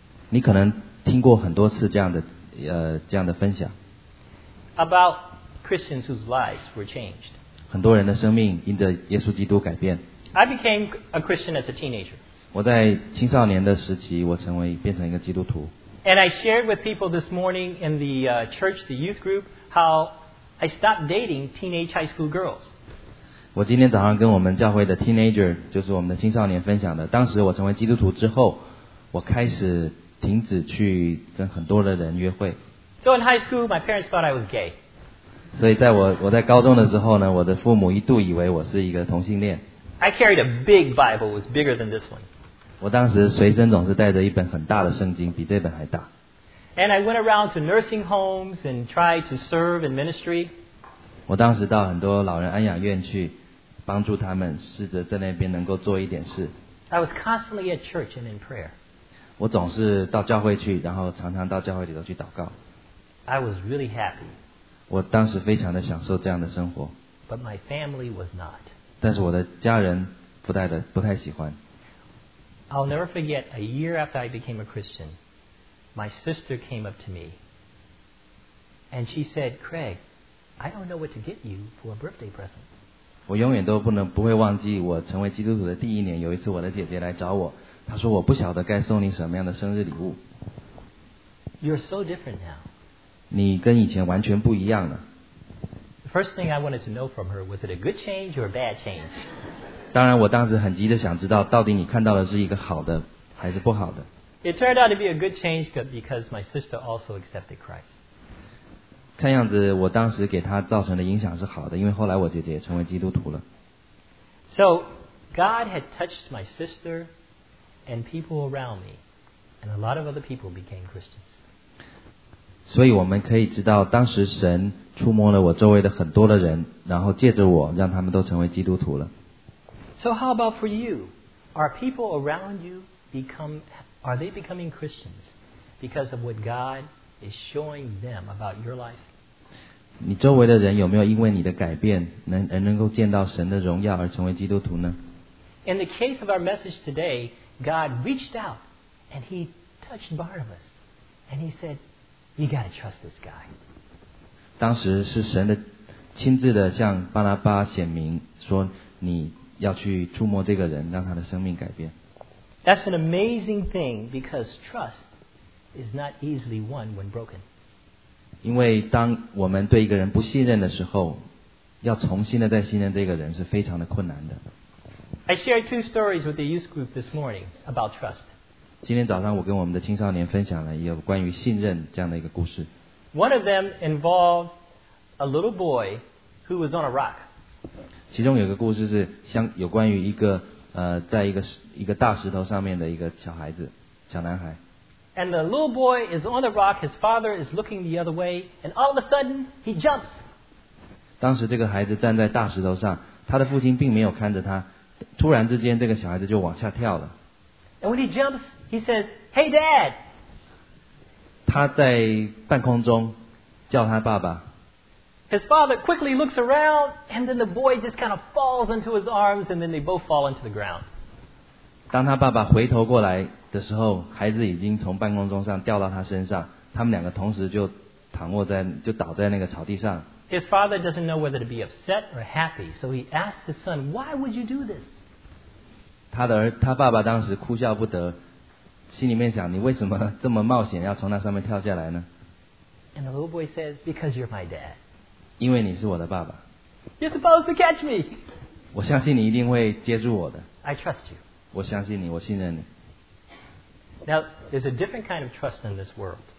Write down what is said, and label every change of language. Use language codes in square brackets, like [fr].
[zh] 你可能听过很多次这样的分享。 [en] About Christians whose lives were changed. [zh] 很多人的生命因着耶稣基督改变。 [en] I became a Christian as a teenager. [zh] 我在青少年的时期，我变成一个基督徒。 [en] And I shared with people this morning in the church, the youth group, how I stopped dating teenage high school girls. [zh] 我今天早上跟我们教会的 teenager, 就是我们的青少年分享的。当时我成为基督徒之后，我开始停止去跟很多的人约会。 [en] So in high school, my parents thought I was gay. [zh] 所以在我在高中的时候呢，我的父母一度以为我是一个同性恋。 [en] I carried a big Bible, it was bigger than this one. [zh] 我当时随身总是带着一本很大的圣经，比这本还大。 [en] And I went around to nursing homes and tried to serve in ministry. [zh] 我当时到很多老人安养院去，帮助他们，试着在那边能够做一点事。 [en] I was constantly at church and in prayer. [zh] 我总是到教会去，然后常常到教会里头去祷告。 [en] I was really happy. [zh] 我当时非常的享受这样的生活。 [en] But my family was not. [zh] 但是我的家人不太喜欢。 [en] I'll never forget, a year after I became a Christian, my sister came up to me and she said, Craig, I don't know what to get you for a birthday present. [zh] 我永远都不会忘记我成为基督徒的第一年，有一次我的姐姐来找我，她说我不晓得该送你什么样的生日礼物。 [en] You're so different now. [zh] 你跟以前完全不一样了。 [en] The first thing I wanted to know from her, was it a good change or a bad change? [zh] 当然我当时很急的想知道到底你看到的是一个好的还是不好的。 [en] It turned out to be a good change because my sister also accepted Christ. [zh] 看样子我当时给她造成的影响是好的，因为后来我姐姐也成为基督徒了。 [en] So, God had touched my sister and people around me, and a lot of other people became Christians. [zh] 所以我们可以知道当时神触摸了我周围的很多的人，然后借着我让他们都成为基督徒了。 [en] So how about for you? Are people around you becoming Christians because of what God is showing them about your life? [zh] 你周围的人有没有因为你的改变能够见到神的荣耀而成为基督徒呢？ [en] In the case of our message today, God reached out and he touched Barnabas and he said, you got to trust this guy. [zh] 当时是神的亲自的向巴拿巴显明说你要去触摸这个人，让他的生命改变。 [en] That's an amazing thing because trust is not easily won when broken. [zh] 因为当我们对一个人不信任的时候，要重新的再信任这个人是非常的困难的。 [en] I shared two stories with the youth group this morning about trust. [zh] 今天早上我跟我们的青少年分享了有关于信任这样的一个故事。 [en] One of them involved a little boy who was on a rock. [zh] 其中有个故事是有关于在一个大石头上面的一个小孩子，小男孩。 [en] And the little boy is on the rock, his father is looking the other way, and all of a sudden, he jumps. [zh] 当时这个孩子站在大石头上，他的父亲并没有看着他，突然之间这个小孩子就往下跳了。 [en] And when he jumps, he says, hey dad! [zh] 他在半空中叫他爸爸。 [en] His father quickly looks around, and then the boy just kind of falls into his arms, and then they both fall into the ground. [zh] 当他爸爸回头过来的时候，孩子已经从半空中上掉到他身上，他们两个同时就倒在那个草地上。 [en] His father doesn't know whether to be upset or happy, so he asks his son, "Why would you do this?" [zh] 他爸爸当时哭笑不得，心里面想，你为什么这么冒险要从那上面跳下来呢？ [en] And the little boy says, "Because you're my dad." [zh] 因为你是我的爸爸。 [en] You're supposed to catch me. [zh] 我相信你一定会接住我的。 [en] I trust you. [zh] 我相信你，我信任你。 [en] Now, there's a different kind of trust in this world.